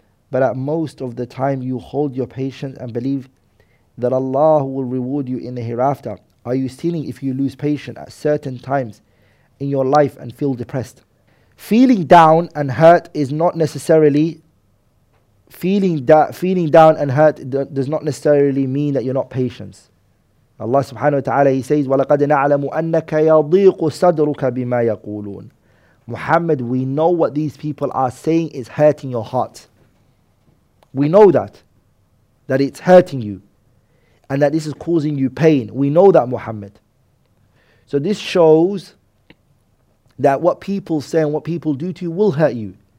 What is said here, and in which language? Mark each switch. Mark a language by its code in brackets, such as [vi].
[en] But at most of the time you hold your patience and believe that Allah will reward you in the hereafter. Are you sinning if you lose patience at certain times in your life and feel depressed? Feeling down and hurt is not necessarily feeling down and hurt does not necessarily mean that you're not patient. [ar] Allah subhanahu wa ta'ala, [en] he says, [ar] وَلَقَدْ نَعْلَمُ أَنَّكَ يَضِيقُ صَدْرُكَ بِمَا يَقُولُونَ. [en] Muhammad, we know what these people are saying is hurting your heart. We know that it's hurting you and that this is causing you pain. We know that, Muhammad. So this shows that what people say and what people do to you will hurt you.